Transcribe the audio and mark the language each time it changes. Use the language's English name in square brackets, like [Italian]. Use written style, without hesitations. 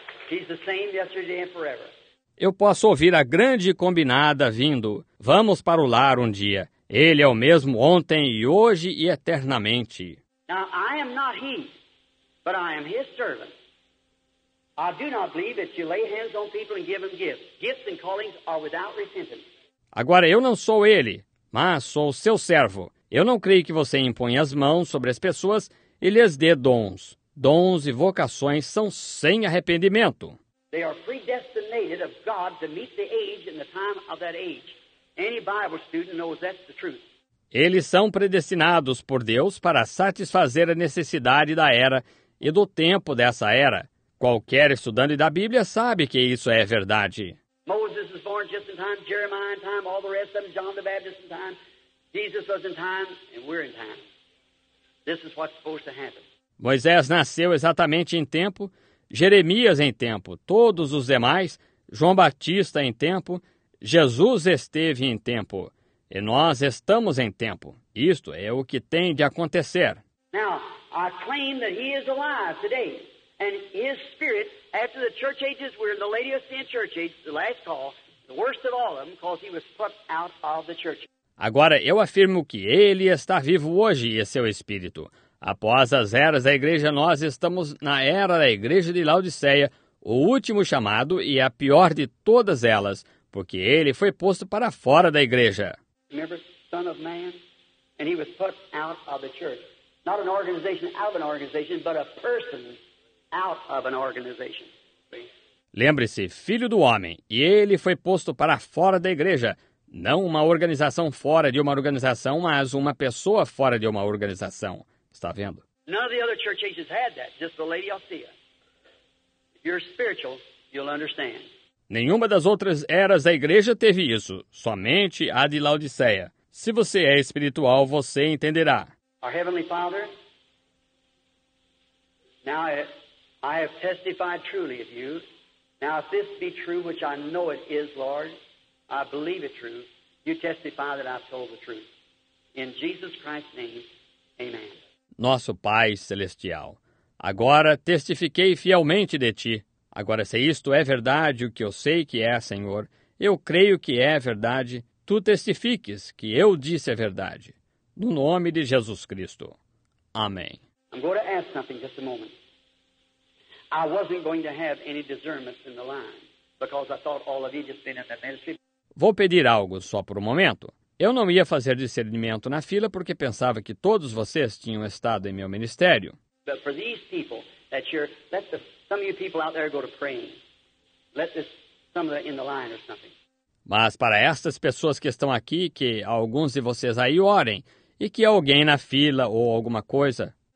[English] He's the same yesterday and forever. [Portuguese] Eu posso ouvir a grande combinada vindo. Vamos para o lar um dia. Ele é o mesmo ontem e hoje e eternamente. [English] Now, I am not he, but I am his servant. I do not believe that you lay hands on people and give them gifts. Gifts and callings are without repentance. [Portuguese] Agora, eu não sou ele, mas sou seu servo. Eu não creio que você impõe as mãos sobre as pessoas e lhes dê dons. Dons e vocações são sem arrependimento. [English] They are predestinated of God to meet the age and the time of that age. Any Bible student knows that's the truth. [Portuguese] Eles são predestinados por Deus para satisfazer a necessidade da era e do tempo dessa era. Qualquer estudante da Bíblia sabe que isso é verdade. [English] Moses was born just in time, Jeremiah in time, all the rest of them, John the Baptist in time, Jesus was in time, and we're in time. This is what's supposed to happen. [Portuguese] Moisés nasceu exatamente em tempo, Jeremias em tempo, todos os demais, João Batista em tempo, Jesus esteve em tempo, e nós estamos em tempo. Isto é o que tem de acontecer. [English] Now, I claim that he is alive today, and his spirit, after the church ages, we're in the Laodicean church age, the last call, the worst of all of them, because he was put out of the church. [Portuguese] Agora, eu afirmo que ele está vivo hoje, e seu espírito. Após as eras da igreja, nós estamos na era da igreja de Laodiceia, o último chamado e a pior de todas elas, porque ele foi posto para fora da igreja. [English] Remember, son of man, and he was put out of the church. Not an organization out of an organization, but a person out of an organization. [Portuguese] Lembre-se, filho do homem, e ele foi posto para fora da igreja. Não uma organização fora de uma organização, mas uma pessoa fora de uma organização. Está vendo? [English] None of the other church ages had that, just the Laodicea. If you're spiritual, you'll understand. [Portuguese] Nenhuma das outras eras da igreja teve isso, somente a de Laodiceia. Se você é espiritual, você entenderá. [English] Our Heavenly Father, now I have testified truly of you. Now if this be true, which I know it is, Lord, I believe it true, you testify that I've told the truth. In Jesus Christ's name, amen. [Portuguese] Nosso Pai Celestial, agora testifiquei fielmente de ti. Agora, se isto é verdade, o que eu sei que é, Senhor, eu creio que é verdade, tu testifiques que eu disse a verdade. No nome de Jesus Cristo. Amém. [English] I'm going to ask something just a moment. I wasn't going to have any discernment in the line. because I thought all of Egypt's been in the ministry. [Portuguese] Vou pedir algo só por um momento. Eu não ia fazer discernimento na fila porque pensava que todos vocês tinham estado em meu ministério. [English] But for these people that you're, let the, some of you people out there go to praying. Let this, some of the in the line or something. [Portuguese] Mas para estas pessoas que estão aqui, que alguns de vocês aí orem, e que alguém na fila ou alguma coisa.